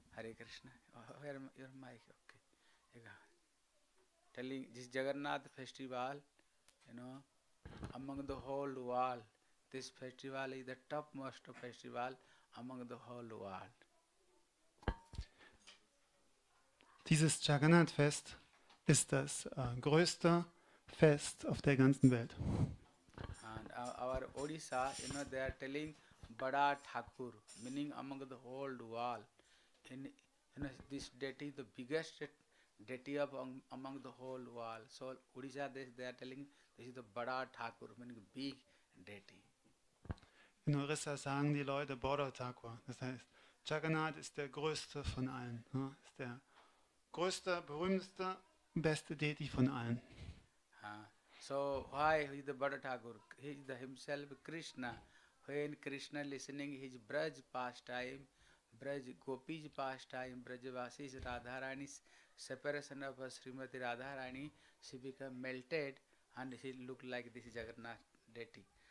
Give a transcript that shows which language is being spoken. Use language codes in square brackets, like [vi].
[en] Hare Krishna, your mic, okay. Telling this Jagannath festival, you know, among the whole world, this festival is the topmost festival among the whole world. [de] Dieses Jagannath-Fest ist das größte Fest auf der ganzen Welt. [en] And our Odisha, you know, they are telling Bada Thakur, meaning among the whole world. You know, this deity, the biggest deity of among the whole world. So Odisha, they are telling this is the Bada Thakur, meaning big deity. [de] In Orissa sagen die Leute Bada Thakur. Das heißt, Jagannath ist der größte von allen. Ne? Ist der größte, berühmteste, beste Deity von allen. [en] So, why is the Bada Thakur? He is the himself Krishna. When Krishna listening his Braj pastime, Braj Gopi's pastime, Braj Vasi's Radharani's separation of Srimati Radharani, she become melted and she look like this Jagannath Deity.